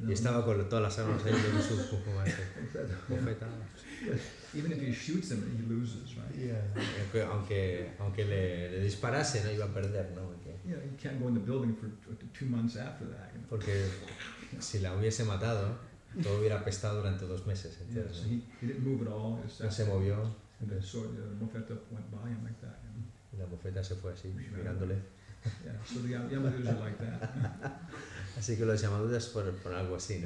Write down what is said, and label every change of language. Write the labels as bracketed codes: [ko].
[es] Y estaba con todas las armas ahí en su mofeta. Mofeta. [en] Even if he shoots him, he loses, right? Yeah. [es] aunque le disparase, no iba a perder, ¿no? Porque, [en] yeah, he can't go in the building for 2 months after that. You know? [es] Porque si la hubiese matado, todo hubiera apestado durante 2 meses. Entonces, [en] yeah, so he didn't move at all. [es] No se movió. [en] And the mofeta went by him like that. You know? [es] Y la mofeta se fue así, right, mirándole. [en] Yeah, so the Yamadutas are like that. [es] Así que los Yamadutas por algo así, ¿no?